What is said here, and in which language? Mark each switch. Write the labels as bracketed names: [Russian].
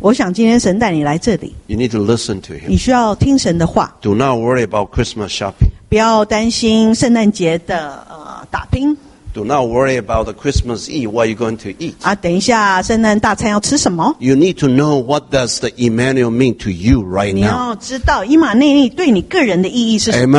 [Chinese] 我想今天神带你来这里 [English] You need to listen to him. [Chinese] 你需要听神的话 [English] Do not worry about Christmas shopping. [Chinese] 不要担心圣诞节的打拼 [English] Do not worry about the Christmas Eve, what are you going to eat? [Chinese] 等一下圣诞大餐要吃什么 [English] You need to know what does the Emmanuel mean to you right now. [Chinese] 你要知道以马内利对你个人的意义是什么